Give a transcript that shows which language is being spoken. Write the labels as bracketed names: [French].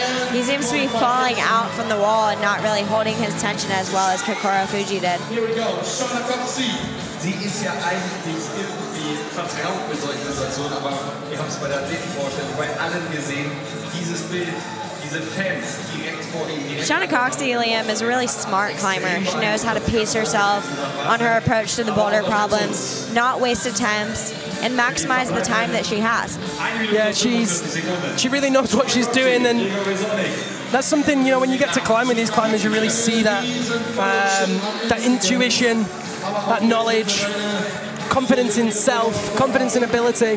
[English] He seems to be falling out from the wall and not really holding his tension as well as Kokoro Fuji did. Here we go, Shauna Coxey. [German] Sie ist ja eigentlich irgendwie vertraut mit solchen Situationen, aber wir haben es bei der dritten Vorstellung bei allen gesehen, dieses Bild. [English] Shauna Coxey, Liam, is a really smart climber. She knows how to pace herself on her approach to the boulder problems, not waste attempts, and maximize the time that she has. Yeah, she really knows what she's doing, and that's something, you know, when you get to climb with these climbers, you really see that, that intuition, that knowledge, confidence in self, confidence in ability.